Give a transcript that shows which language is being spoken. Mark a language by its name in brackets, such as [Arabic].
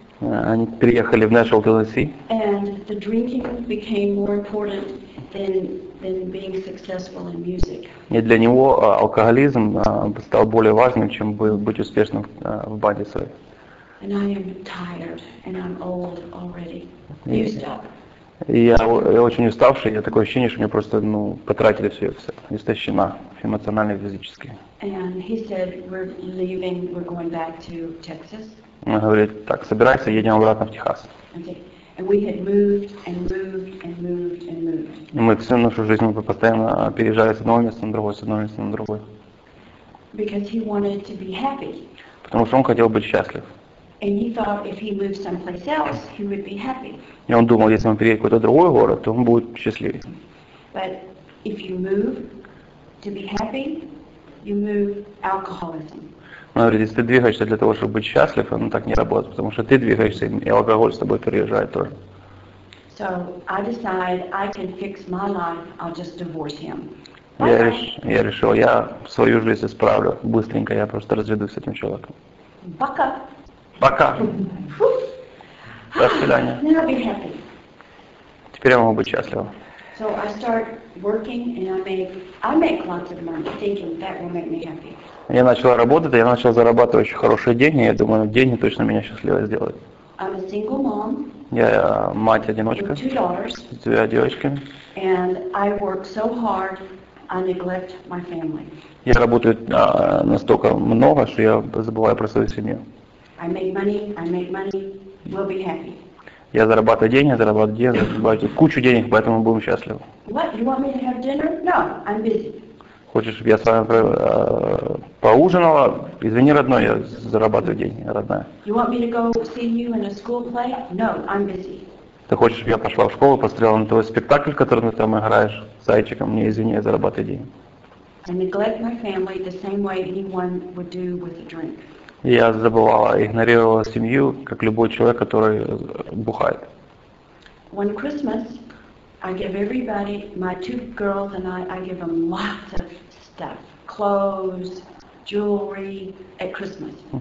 [Russian] Они переехали в Нэшвилл, Теннесси. [English] And the drinking became more important than being successful in music. [Russian] И для него алкоголизм стал более важным, чем быть успешным в банде своей. [English] And I am tired, and I'm old already. Used up. [Russian] Я очень уставший, я такое ощущение, что мне просто, ну, потратили все, истощена, эмоционально и физически. [English] And he said, we're leaving, we're going back to Texas. [Russian] Он говорит, так, собирайся, едем обратно в Техас. [English] And we had moved and moved and moved and moved. [Russian] И мы всю нашу жизнь мы постоянно переезжали с одного места на другое, с одного места на другое. [English] Because he wanted to be happy. [Russian] Потому что он хотел быть счастлив. [English] And he thought if he moved someplace else, he would be happy. [Russian] И он думал, если он переедет в какой-то другой город, то он будет счастливее. [English] But if you move to be happy, you move alcoholism. [Russian] Он говорит, если ты двигаешься для того, чтобы быть счастлив, оно так не работает, потому что ты двигаешься, и алкоголь с тобой переезжает тоже. [English] So I decide I can fix my life, I'll just divorce him. [Russian] Я решил, я свою жизнь исправлю быстренько, я просто разведусь с этим человеком. Пока. Пока. До свидания. [English] Then I'll be happy. [Russian] Теперь я могу быть счастлива. [English] So I start working and I make lots of money, thinking that will make me happy. [Russian] Я начал работать, я начал зарабатывать очень хорошие деньги, я думаю, деньги точно меня счастливой сделают. [English] I'm a single mom. [Russian] Я мать-одиночка. [English] With two daughters. [Russian] С двумя девочками. [English] And I work so hard, I neglect my family. [Russian] Я работаю настолько много, что я забываю про свою семью. [English] I make money, I make money, we'll be happy. [Russian] Я зарабатываю деньги, кучу денег, поэтому будем счастливы. [English] What, you want me to have dinner? No, I'm busy. [Russian] Хочешь, чтобы я с вами поужинала? Извини, родной, я зарабатываю деньги, родная. [English] You want me to go see you in a school play? No, I'm busy. [Russian] Ты хочешь, чтобы я пошла в школу, посмотрела на твой спектакль, который ты там играешь, зайчиком? Мне извини, я зарабатываю деньги. [English] I neglect my family the same way anyone would do with a drink. [Russian] Я забывала, игнорировала семью, как любой человек, который бухает. [English] One Christmas, I give everybody, my two girls and I give them lots of stuff. Clothes, jewelry, at Christmas.